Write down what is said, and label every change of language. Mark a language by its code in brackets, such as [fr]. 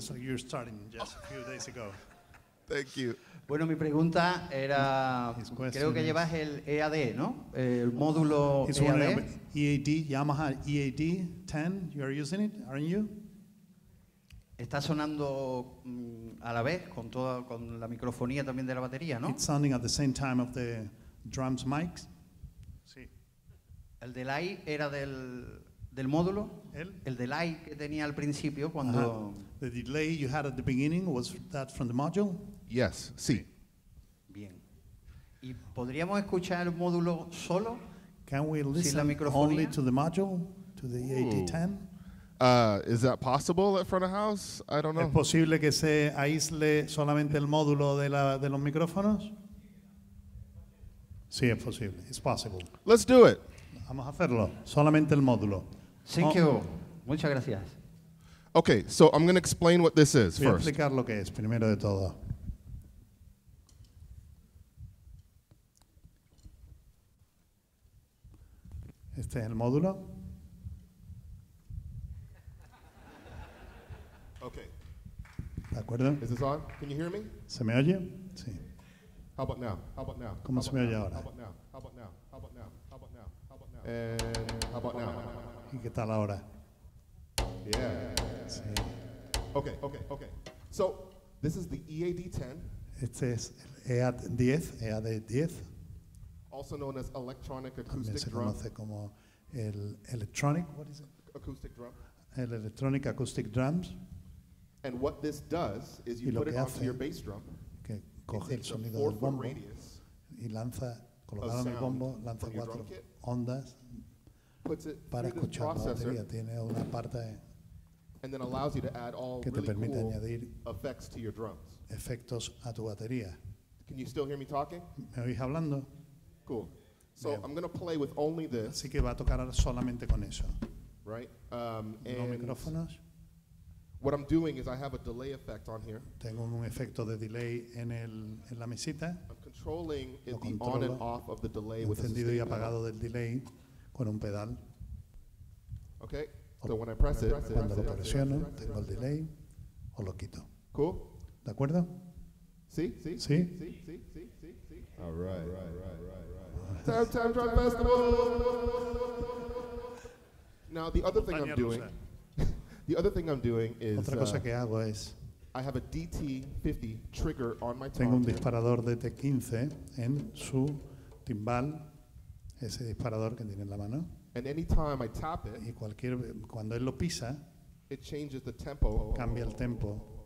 [en] It's like you're starting just a few days ago. Thank you. [es] Bueno, mi pregunta era, creo que llevas el EAD, ¿no? El módulo EAD. [en] EAD, Yamaha EAD 10, you are using it, aren't you? [es] Está sonando a la vez con la microfonía también de la batería, ¿no? [en] It's sounding at the same time of the drums mics. [es] Sí. ¿El delay era del módulo? El delay que tenía al principio cuando... [en] The delay you had at the beginning, was that from the module? Yes, sí. [es] Bien. ¿Y podríamos escuchar el módulo solo? [en] Can we listen only to the module, to the AD10? Is that possible at front of house? I don't know. [es] ¿Es posible que se aísle solamente el módulo de los micrófonos? Sí, es posible. [en] It's possible. Let's do it. [es] Vamos a hacerlo. Solamente el módulo. [en] Thank you. [es] Muchas gracias. [en] Okay, so I'm going to explain what this is [es] first. Voy a explicar lo que es, primero de todo. Este es el módulo. [en] Okay. [es] ¿De acuerdo? [en] Is this on? Can you hear me? [es] ¿Se me oye? Sí. [en] How about now? How about now? [es] ¿Cómo se me oye ahora? [en] How about now? [es] ¿Y qué tal ahora? [en] Yeah. [es] Sí. [en] Okay. So, this is the EAD-10. [es] Este es el EAD-10, EAD-10. [en] Also known as electronic acoustic [es] también se [en] drum. [es] Conoce como el electronic, [en] what is it? Acoustic drum. [es] El electronic acoustic drums. [en] And what this does is you put it onto your bass drum. [es] Que coge el sonido del bombo radius y lanza, colocado en el bombo, lanza cuatro ondas para escuchar la batería. Tiene una parte [en] and then allows you to add all [es] que te permite [en] really cool [es] añadir [en] effects to your drums. [es] Efectos a tu batería. [en] Can you still hear me talking? [es] ¿Me oís hablando? [en] Cool. So bien. I'm going to play with only this. [es] Así que va a tocar solamente con eso. [en] Right? [es] Los micrófonos. [en] What I'm doing is I have a delay effect on here. [es] Tengo un efecto de delay en la mesita. [en] I'm controlling the on and off of the delay with [es] encendido y apagado del delay con un pedal. [en] Okay. So when I press it, [es] cuando lo presiono, tengo el delay o lo quito. [en] Cool. [es] ¿De acuerdo? Sí, sí. Sí. Sí, sí, sí, sí. [en] All right. All right. Time Drive Festival. Now the other thing I'm doing, the other thing I'm doing is. [es] Otra cosa que hago es. [en] I have a DT50 trigger on my. [es] Tengo un disparador de T15 en su timbal, ese disparador que tiene en la mano. [en] And anytime I tap it. [es] Y cualquier cuando él lo pisa. [en] It changes the tempo. [es] Cambia el tempo.